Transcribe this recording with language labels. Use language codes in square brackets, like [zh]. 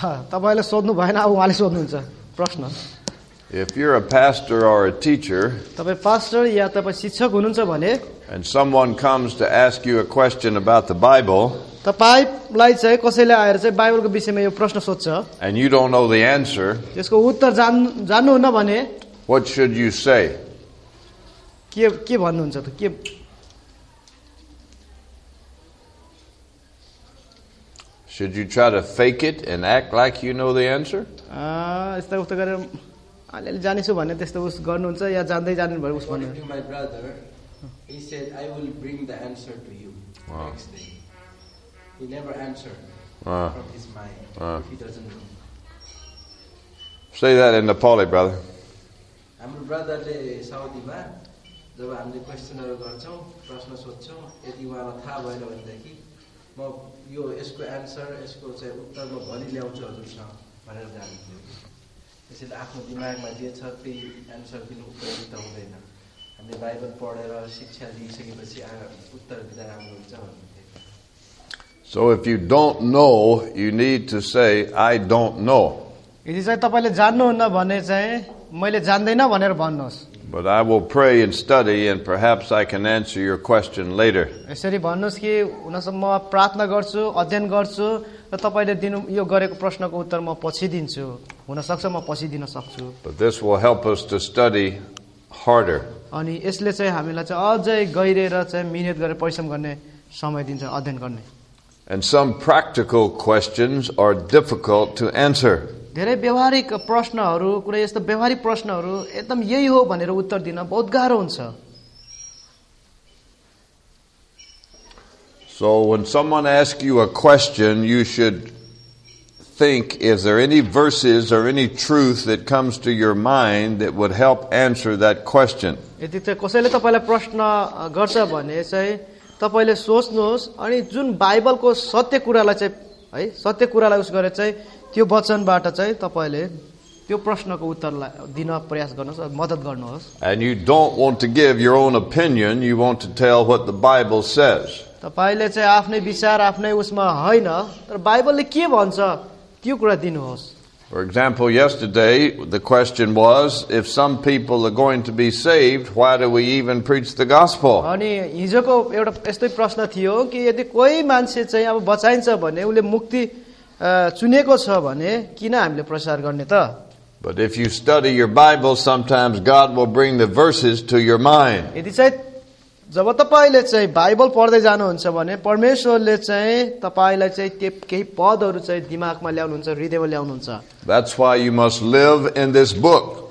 [ne] तपाईले सोध्नु भएन अब उहाँले सोध्नुहुन्छ प्रश्न. [en] If you're a pastor or a teacher, [ne] तपाई पास्टर या तपाई शिक्षक हुनुहुन्छ भने, [en] and someone comes to ask you a question about the Bible, [ne] तपाईलाई चाहिँ कसैले आएर चाहिँ बाइबलको विषयमा यो प्रश्न सोध्छ, [en] and you don't know the answer, [ne] त्यसको उत्तर जान्नुहुन्न भने, [en] what should you say? [ne] के भन्नुहुन्छ त के? [en] Should you try to fake it and act like you know the answer? [ne] यस्तो उस्तो गरेर अलिअलि जानेछु भन्ने त्यस्तो उस गर्नुहुन्छ या जान्दै जानु भयो उस भन्नु. [en] My brother, he said, I will bring the answer to you next day. He never answered from his mind if he doesn't know. Say that in Nepali, brother. [ne] हाम्रो ब्रदरले साउदीमा जब हामीले क्वेसनहरू गर्छौँ प्रश्न सोध्छौँ यदि उहाँलाई थाहा भएन भनेदेखि म यो यसको एन्सर यसको चाहिँ उत्तर म भनिल्याउँछु हजुरसँग भनेर जान्थ्यो. त्यसैले आफ्नो दिमागमा जे छ त्यही एन्सर दिनु उपयोगी त हुँदैन. हामीले बाइबल पढेर शिक्षा लिइसकेपछि उत्तर दिँदा राम्रो हुन्छ भन्थे. [en] So if you don't know, you need to say, I don't know. [ne] यदि चाहिँ तपाईँले जान्नुहुन्न भने चाहिँ मैले जान्दिनँ भनेर भन्नुहोस्. [en] But I will pray and study and perhaps I can answer your question later. [ne] यसरी भन्नुहोस् कि उनीसँग म प्रार्थना गर्छु अध्ययन गर्छु र तपाईँले दिनु यो गरेको प्रश्नको उत्तर म पछि दिन्छु हुनसक्छ म पछि दिन सक्छु. [en] But this will help us to study harder. [ne] अनि यसले चाहिँ हामीलाई चाहिँ अझै गहिरेर चाहिँ मिहिनेत गरेर परिश्रम गर्ने समय दिन्छ अध्ययन गर्ने. [en] And some practical questions are difficult to answer. [ne] धेरै व्यवहारिक प्रश्नहरू कुनै यस्तो व्यवहारिक प्रश्नहरू एकदम यही हो भनेर उत्तर दिन बहुत गाह्रो हुन्छ. [en] So when someone asks you a question, you should think, is there any verses or any truth that comes to your mind that would help answer that question? [ne] यदि कसैले तपाईँलाई प्रश्न गर्छ भने चाहिँ तपाईँले सोच्नुहोस् अनि जुन बाइबलको सत्य कुरालाई चाहिँ है सत्य कुरालाई उस गरेर चाहिँ त्यो वचनबाट चाहिँ तपाईँले त्यो प्रश्नको उत्तरलाई दिन प्रयास गर्नुहोस् मद्दत गर्नुहोस्. [en] And you don't want to give your own opinion, you want to tell what the Bible says. [ne] तपाईँले चाहिँ आफ्नै विचार आफ्नै उसमा होइन तर बाइबलले के भन्छ त्यो कुरा दिनुहोस्. [en] For example, yesterday the question was, if some people are going to be saved, why do we even preach the gospel? [ne] अनि हिजोको एउटा यस्तै प्रश्न थियो कि यदि कोही मान्छे चाहिँ अब बचाइन्छ भने उसले मुक्ति चुनेको छ भने किन हामीले प्रचार गर्ने त. [en] But if you study your Bible, sometimes God will bring the verses to your mind. [ne] यदि चाहिँ जब तपाईँले चाहिँ बाइबल पढ्दै जानुहुन्छ भने परमेश्वरले चाहिँ तपाईँलाई चाहिँ त्यो केही पदहरू चाहिँ दिमागमा ल्याउनुहुन्छ हृदयमा ल्याउनुहुन्छ. [en] That's why you must live in this book.